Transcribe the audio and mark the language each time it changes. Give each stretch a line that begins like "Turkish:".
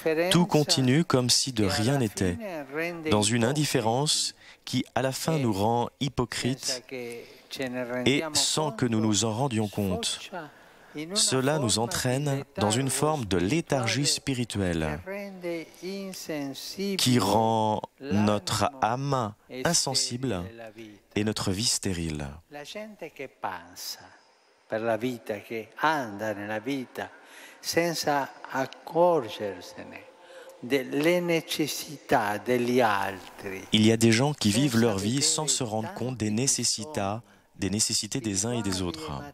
French: Tout continue comme si de rien n'était, dans une indifférence qui à la fin nous rend hypocrites et sans que nous nous en rendions compte. Cela nous entraîne dans une forme de léthargie spirituelle qui rend notre âme insensible et notre vie stérile.
Italian: La gente che pensa per la vita, che anda nella vita senza accorgersene delle necessità degli altri.
French: Il y a des gens qui vivent leur vie sans se rendre compte des nécessités des uns et des autres.